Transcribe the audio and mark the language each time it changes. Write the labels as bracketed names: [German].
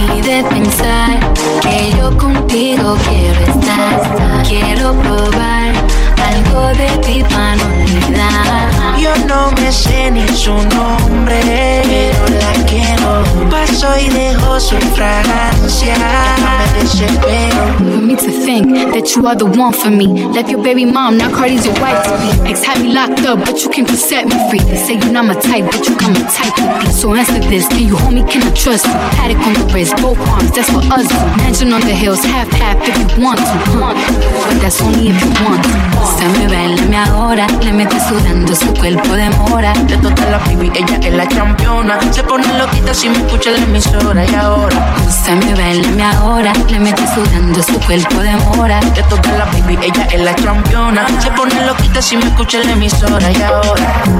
[Spanish] Y de pensar que yo contigo quiero estar Quiero probar algo de ti pa' no olvidar Yo no me sé ni su nombre Pero la quiero Paso y dejo su fragancia [English] For me to think that you are the one for me Left your baby mom, now Cardi's your wife to be Ex had me locked up, but you came to set me free They say you're not my type, but you come a type to be So answer this, can you hold me, can I trust you? Paddock on the wrist, both arms, that's for us to Mansion on the hills, half-half if you want to But that's only if you want to [Spanish] Se me baila mi ahora, le mete sudando su cuerpo de mora De toda la baby, ella es la championa Se pone loquita si me escucha la emisora y ahora Se me baila mi ahora Le mete sudando su cuerpo de mora De toda la baby, ella es la championa Se pone loquita si me escucha la emisora Y ahora